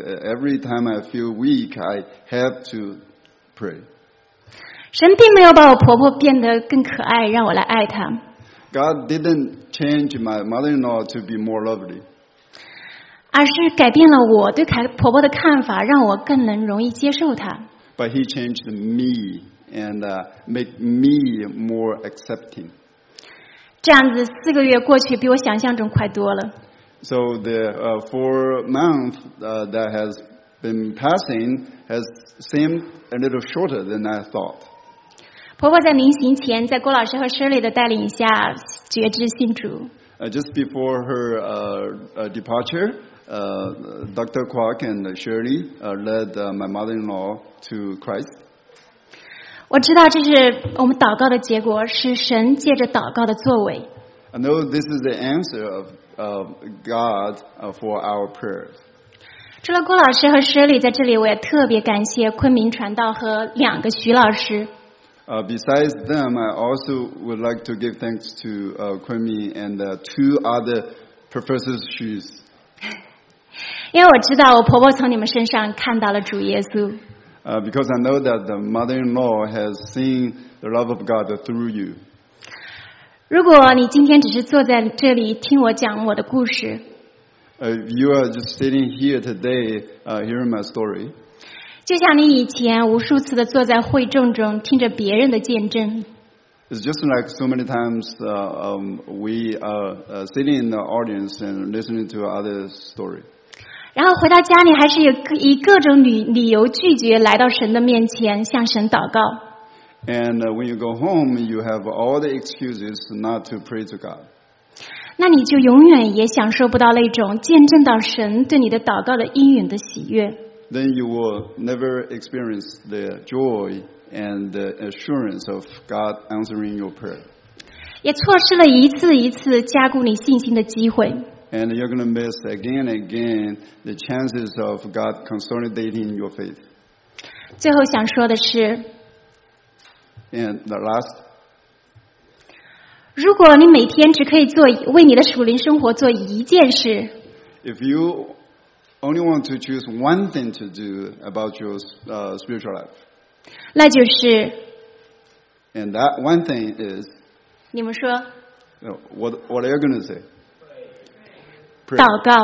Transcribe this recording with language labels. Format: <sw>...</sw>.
<en>Every time I feel weak, I have to pray.</en> <zh>神并没有把我婆婆变得更可爱，让我来爱她。</zh> <en>God didn't change my mother-in-law to be more lovely.</en> <zh>而是改变了我对婆婆的看法，让我更能容易接受她。</zh> <en>But he changed me and make me more accepting.</en> <zh>这样子四个月过去比我想象中快多了。</zh> <en>So the four months that has been passing has seemed a little shorter than I thought.</en> <zh>婆婆在临行前在郭老师和 Shirley 的带领下觉知信主。</zh> <en>Just before her departure, Dr. Kwok and Shirley led my mother-in-law to Christ.</en> <zh>我知道这是我们祷告的结果，是神借着祷告的作为。</zh> <en>I know this is the answer of God for our prayers.</en> <zh>除了郭老师和 Shirley 在这里，我也特别感谢昆明传道和两个徐老师。</zh> <en>Besides them, I also would like to give thanks to Kunming and two other professors Xu.</en> <zh>因为我知道我婆婆从你们身上看到了主耶稣。</zh> <en>Because I know that the mother-in-law has seen the love of God through you.</en> <zh>如果你今天只是坐在这里听我讲我的故事，</zh> <en>You are just sitting here today, hearing my story.</en> <zh>就像你以前无数次的坐在会众中听着别人的见证。</zh> <en>It's just like so many times we are sitting in the audience and listening to others' story.</en> <zh>然后回到家里还是以各种理由拒绝来到神的面前向神祷告。</zh> <en>And when you go home, you have all the excuses not to pray to God.</en> <zh>那你就永远也享受不到那种见证到神对你的祷告的应允的喜悦。</zh> <en>Then you will never experience the joy and the assurance of God answering your prayer.</en> <zh>也错失了一次一次加固你信心的机会。</zh> <en>And you're going to miss again and again the chances of God consolidating your faith.</en> <zh>最后想说的是。</zh> <en>And the last.</en> <zh>如果你每天只可以做为你的属灵生活做一件事</zh> <en>，If you only want to choose one thing to do about your spiritual life，</en> <zh>那就是</zh> <en>，And that one thing is，</en> <zh>你们说</zh> <en>，What are you going to say？ Pray,</en> <zh>祷告，</zh>